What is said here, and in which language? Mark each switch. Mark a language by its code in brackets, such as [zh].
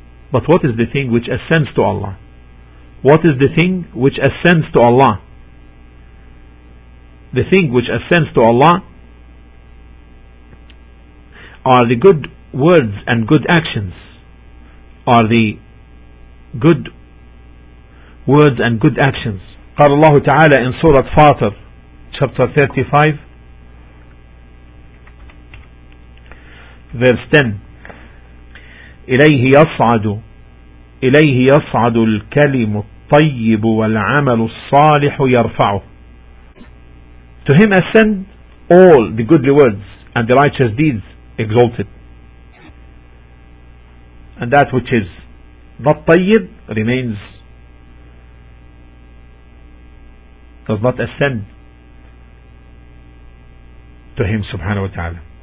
[en] But what is the thing which ascends to Allah? What is the thing which ascends to Allah? The thing which ascends to Allah are the good words and good actions, are the good words and good actions. [ar] قال الله تعالى [en] in Surah Fatir, chapter 35, verse 10, [ar] إليه يصعد الكلم الطيب والعمل الصالح يرفعه. [en] To him ascend all the goodly words and the righteous deeds exalted, and that which is not tayyib remains, does not ascend to him subhanahu wa ta'ala.